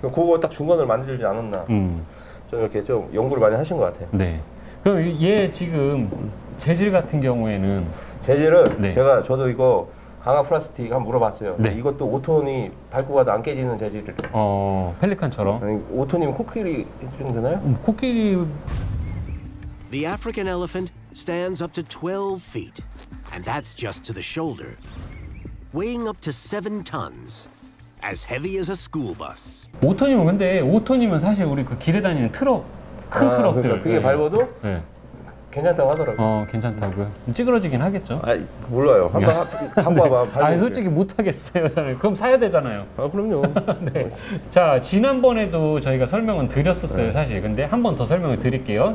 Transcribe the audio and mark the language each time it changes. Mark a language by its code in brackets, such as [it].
[ko] 그거 딱 중간으로 만들지 않았나. 좀 이렇게 좀 연구를 많이 하신 것 같아요. 네. 그럼 얘 지금 재질 같은 경우에는 재질은 네. 제가 저도 이거 강화 플라스틱 한번 물어봤어요. 네. 이것도 5톤이 밟고 가도 안 깨지는 재질을. 펠리칸처럼. 아니, 5톤이면 코끼리 정도 되나요? 코끼리. [en] The African elephant stands up to 12 feet, and that's just to the shoulder, weighing up to 7 tons, as heavy as a school bus. [ko] 5톤이면 근데 5톤이면 사실 우리 그 길에 다니는 트럭, 큰 아, 트럭들. 그러니까 그게 네. 밟아도. 네. 괜찮다고 하더라고요. 괜찮다고요. 찌그러지긴 하겠죠. 아니, 몰라요. 한번 갖고 와봐. 네. 아니, 솔직히 못하겠어요, 저는. 그럼 사야 되잖아요. 아, 그럼요. 네. 자, 지난번에도 저희가 설명은 드렸었어요, 네. 사실. 근데 한 번 더 설명을 드릴게요.